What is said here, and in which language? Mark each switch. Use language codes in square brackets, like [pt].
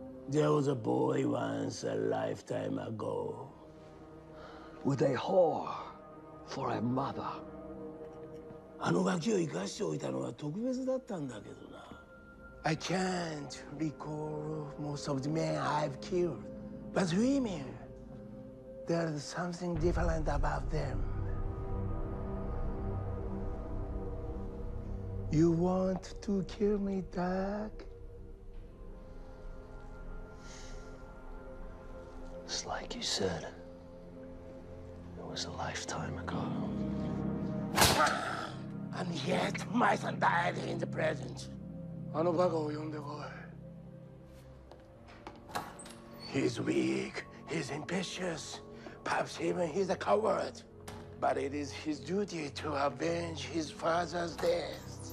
[en] There was a boy once a lifetime ago with a whore for a mother. [ja] あのガキを生かしておいたのは特別だったんだけどな。 [en] I can't recall most of the men I've killed. But women, there's something different about them. You want to kill me, Dark? Just like you said, it was a lifetime ago. And yet, my son died in the present. [ja] あのバカを呼んでこい。 [en] He's weak, he's impetuous, perhaps even he's a coward. But it is his duty to avenge his father's death.